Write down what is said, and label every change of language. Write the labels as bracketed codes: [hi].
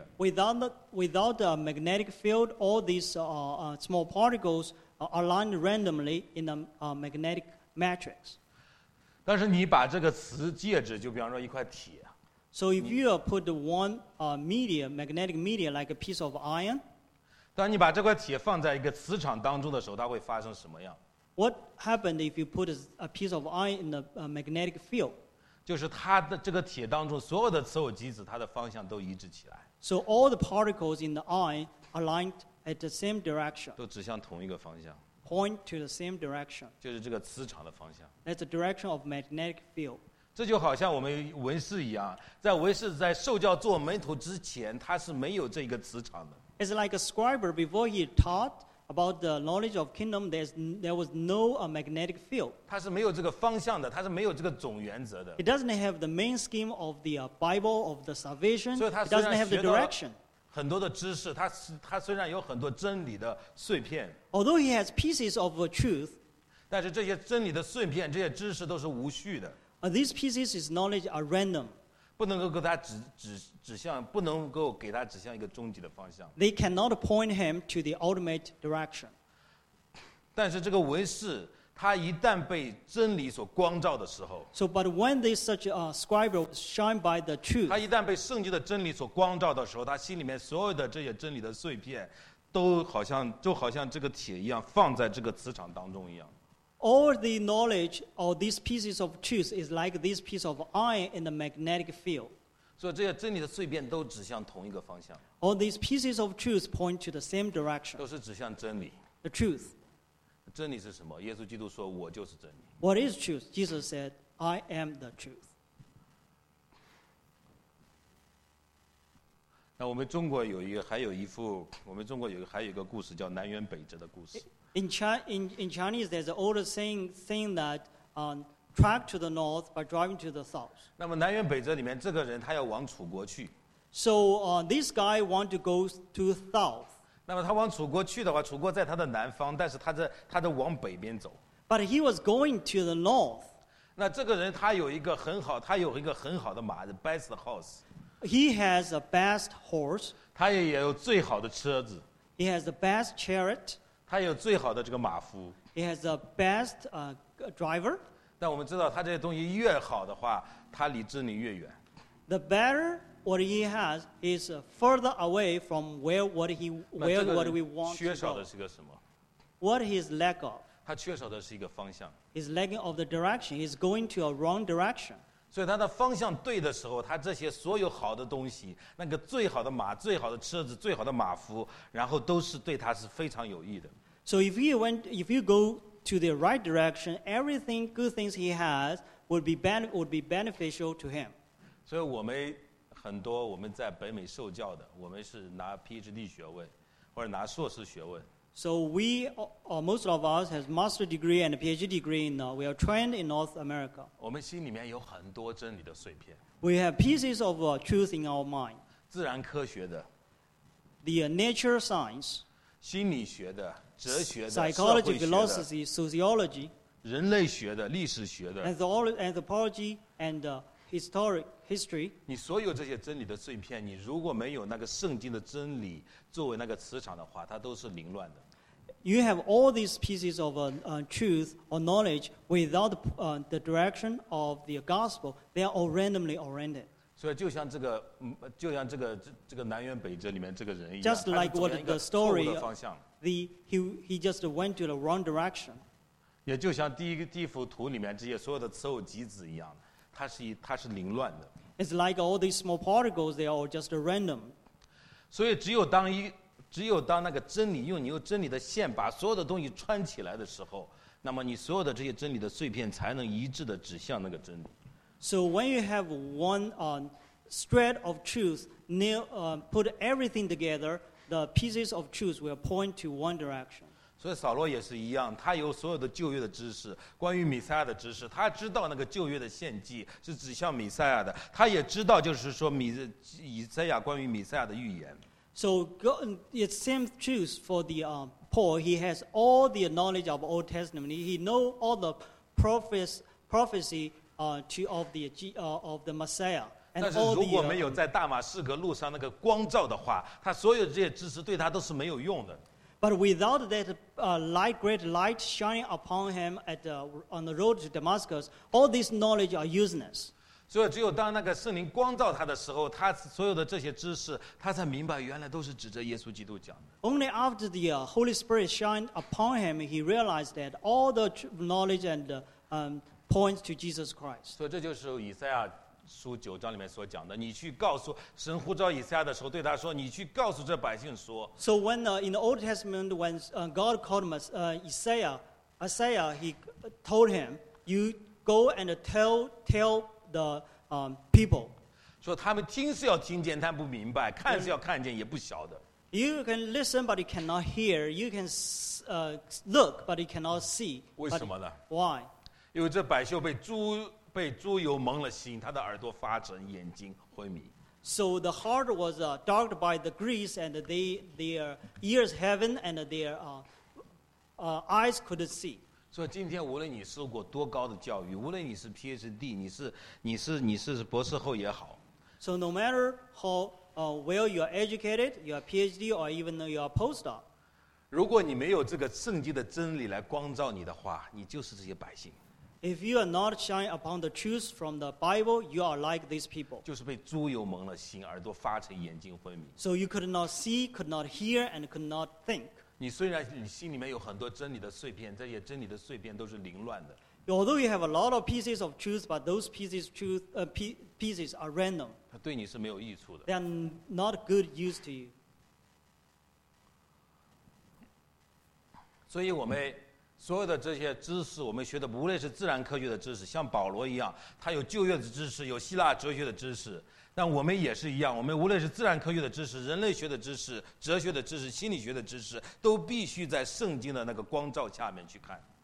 [en] Without a magnetic field, all these small particles are aligned randomly in a magnetic matrix. [zh] 但是你把这个磁介质，就比方说一块铁。 [en] So if you put one media, magnetic media, like a piece of iron. [zh] 当你把这块铁放在一个磁场当中的时候，它会发生什么样 [en] ？What happened if you put a piece of iron in a magnetic field? [zh] 就是它的这个铁当中所有的磁偶极子，它的方向都一致起来。 [en] So all the particles in the iron aligned at the same direction. [zh] 都指向同一个方向。 [en] Point to the same direction. [zh] 就是这个磁场的方向。 [en] That's the direction of magnetic field. [zh] 这就好像我们文士一样，在文士在受教做门徒之前，他是没有这个磁场的。 [en] It's like a scribe before he taught. About the knowledge of kingdom, there was no magnetic field. [zh] 它是没有这个方向的，它是没有这个总原则的。 [en] It doesn't have the main scheme of the Bible of the salvation. [zh] 所以它虽然学到很多的知识，它虽然有很多真理的碎片。 [en] Although he has pieces of truth, [zh] 但是这些真理的碎片，这些知识都是无序的。 [en] These pieces of knowledge are random. [zh] 不能够给他指向不能够给他指向一个终极的方向。 [en] They cannot point him to the ultimate direction. [zh] 但是这个文士，他一旦被真理所光照的时候 [en] ，So but when this such a scribe shine by the truth， [zh] 他一旦被圣经的真理所光照的时候，他心里面所有的这些真理的碎片，都好像就好像这个铁一样，放在这个磁场当中一样。 [en] All the knowledge of these pieces of truth is like this piece of iron in the magnetic field. [zh] 所以这些真理的碎片都指向同一个方向。 [en] All these pieces of truth point to the same direction. [zh] 都是指向真理。 [en] The truth. [zh] 真理是什么？耶稣基督说：“我就是真理。” [en] What is truth? Jesus said, "I am the truth." [zh] 那我们中国有一个，还有一幅，我们中国有一个，还有一个故事叫南辕北辙的故事。 [en] In Chinese, there's an old saying that track to the north by driving to the south. [zh] 那么南辕北辙里面这个人他要往楚国去。 [en] So this guy want to go to south. [zh] 那么他往楚国去的话，楚国在他的南方，但是他的往北边走。 [en] But he was going to the north. [zh] 那这个人他有一个很好，他有一个很好的马 ， [en] the best horse. He has a best horse. [zh] 他也有最好的车子。 [en] He has the best chariot. [zh] 他有最好的这个马夫。 [en] He has the best driver. [zh] 但我们知道，他这些东西越好的话，他离真理越远。 [en] The better what he has is further away from where we want. [zh] 缺少的是个什么 [en] ？What he is lack of. [zh] 他缺少的是一个方向。 [en] He's lacking of the direction. He's going to a wrong direction. [zh] 所以他的方向对的时候，他这些所有好的东西，那个最好的马、最好的车子、最好的马夫，然后都是对他是非常有益的。 [en] So if he went, if you go to the right direction, everything good things he has would be beneficial to him. [zh] 所以我们很多我们在北美受教的，我们是拿 PhD 学位或者拿硕士学位。 [en] So we, or most of us, has master degree and a PhD degree. We are trained in North America. [zh] 我们心里面有很多真理的碎片。 [en] We have pieces of truth in our mind. [zh] 自然科学的。 [en] The nature science. [zh] 心理学的、哲学的、 [en] psychology, philosophy, sociology. [zh] 人类学的、历史学的。 [en] Anthropology and historic history. [zh] 你所有这些真理的碎片，你如果没有那个圣经的真理作为那个磁场的话，它都是凌乱的。 [en] You have all these pieces of truth or knowledge without the direction of the gospel. They are all randomly oriented. [zh] 所以就像这个南辕北辙里面这个人一样， [en] just like what the story, [zh] 他是走向一个错误的方向。 [en] He just went to the wrong direction. [zh] 也就像第一幅图里面这些所有的雌偶极子一样，它是凌乱的。 [en] It's like all these small particles, they are just random. [zh] 所以只有当那个真理用你有真理的线把所有的东西穿起来的时候，那么你所有的这些真理的碎片才能一致的指向那个真理。 [en] So when you have one thread of truth, put everything together, the pieces of truth will point to one direction. [zh] 所以扫罗也是一样，他有所有的旧约的知识，关于弥赛亚的知识，他知道那个旧约的献祭是指向弥赛亚的，他也知道就是说以赛亚关于弥赛亚的预言。 [en] So it's same truth for the Paul. He has all the knowledge of Old Testament. He know all the prophecy of the Messiah. [zh] 但是如果没有在大马士革路上那个光照的话，他所有这些知识对他都是没有用的。 [en] But without that light, great light shining upon him on the road to Damascus, all this knowledge are useless. [zh] 所以只有当那个圣灵光照他的时候，他所有的这些知识他才明白原来都是指着耶稣基督讲的。 [en] Only after the Holy Spirit shined upon him, he realized that all the knowledge and points to Jesus Christ. [zh] 所以这就是以赛亚书九章里面所讲的，你去告诉神呼召以赛亚的时候对他说，你去告诉这百姓说。 [en] So when in the Old Testament, when God called him, Isaiah, he told him, you go and tell the people. [zh] 说他们听是要听见，但不明白；看是要看见，也不晓得。 [en] You can listen, but you cannot hear. You can look, but you cannot see. [zh] 为什么呢 [en] ？Why? [zh] 因为这百姓被猪油蒙了心，他的耳朵发沉，眼睛昏迷。 [en] So the heart was darkened by the grease, and their ears heaven, and their eyes couldn't see. [zh] 所以今天无论你受过多高的教育，无论你是 PhD, 你是博士后也好。 [en] So no matter how well you are educated, you are PhD, or even though you are postdoc. [zh] 如果你没有这个圣经的真理来光照你的话，你就是这些百姓。 [en] If you are not shining upon the truth from the Bible, you are like these people. [zh] 就是被猪油蒙了心，耳朵发沉，眼睛昏迷。 [en] So you could not see, could not hear, and could not think. [zh] 你虽然你心里面有很多真理的碎片，这些真理的碎片都是凌乱的。 [en] Although you have a lot of pieces of truth, but those pieces are random. [zh] 它对你是没有益处的。 [en] They are not good use to you. [zh] 所以我们所有的这些知识，我们学的无论是自然科学的知识，像保罗一样，他有旧约的知识，有希腊哲学的知识。但我们也是一样，我们无论是自然科学的知识、人类学的知识、哲学的知识、心理学的知识，都必须在圣经的那个光照下面去看。